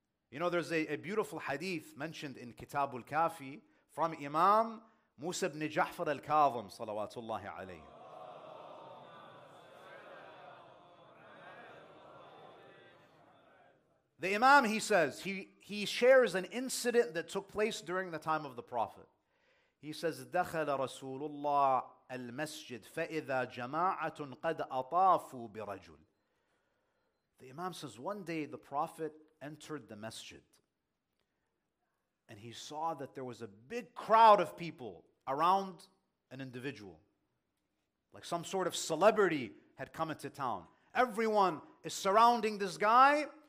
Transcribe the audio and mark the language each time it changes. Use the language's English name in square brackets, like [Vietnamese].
[English] You know, there's a beautiful hadith mentioned in Kitab al-Kafi from Imam Musa ibn Ja'far al-Kazim, salawatullahi alayhi. The Imam, he says, he shares an incident that took place during the time of the Prophet. He says, [Arabic] دَخَلَ رَسُولُ اللَّهِ الْمَسْجِدِ فَإِذَا جَمَاعَةٌ قَدْ أَطَافُوا بِرَجُلٍ. [English] The Imam says, one day the Prophet entered the masjid and he saw that there was a big crowd of people around an individual. Like some sort of celebrity had come into town. Everyone is surrounding this guy.